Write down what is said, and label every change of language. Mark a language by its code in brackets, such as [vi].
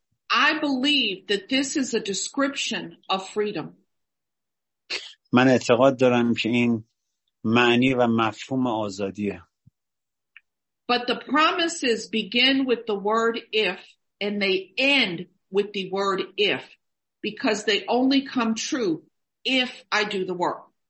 [en] I believe that this is a description of freedom. [fa] من اعتقاد دارم که این معنی و مفهوم آزادیه. [en] But the promises begin with the word if and they end with the word if because they only come true if I do the work.